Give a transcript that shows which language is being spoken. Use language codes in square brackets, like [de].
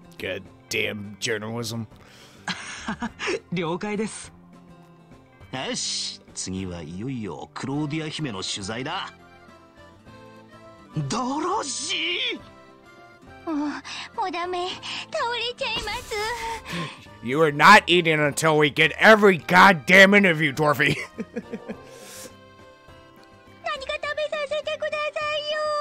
[en] Goddamn journalism. [ja] 了解です。よし、次はいよいよクローディア姫の取材だ。ドロシー、もうダメ、倒れちゃいます。 [en] You are not eating until we get every goddamn interview, Dorothy. [ja] 何か食べさせてくださいよ。